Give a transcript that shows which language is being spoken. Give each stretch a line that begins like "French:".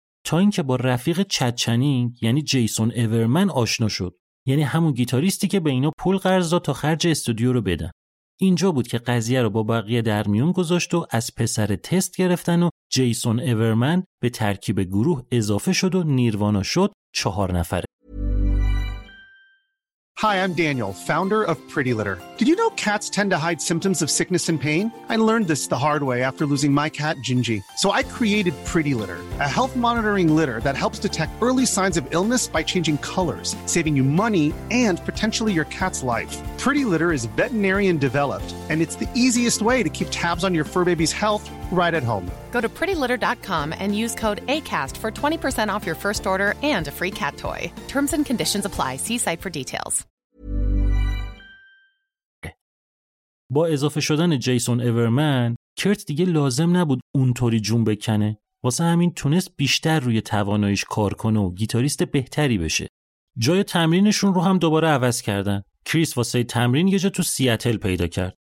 Persian: تا اینکه با رفیق چد چنینگ یعنی جیسون اورمن آشنا شد. یعنی همون گیتاریستی که به اینا پول قرض داد تا خرج استودیو رو بدن. اینجا بود که قضیه رو با بقیه در میون گذاشت و از پسر تست گرفتن و جیسون اورمن به ترکیب گروه اضافه شد و نیروانا شد 4 نفره.
English: Hi, I'm Daniel, founder of Pretty Litter. Did you know cats tend to hide symptoms of sickness and pain? I learned this the hard way after losing my cat, Gingy. So I created Pretty Litter, a health monitoring litter that helps detect early signs of illness by changing colors, saving you money and potentially your cat's life. Pretty Litter is veterinarian developed, and it's the easiest way to keep tabs on your fur baby's health right at home. Go to prettylitter.com and use code ACAST for 20% off your first order and a free cat toy. Terms and conditions apply. See site for details.
Persian: با اضافه شدن جیسون اورمن، کرت دیگه لازم نبود اونطوری جون بکنه. واسه همین تونست بیشتر روی تواناییش کار کنه و گیتاریست بهتری بشه. جای تمرینشون رو هم دوباره عوض کردن. کریس واسه تمرین یه جا تو سیاتل پیدا کرد.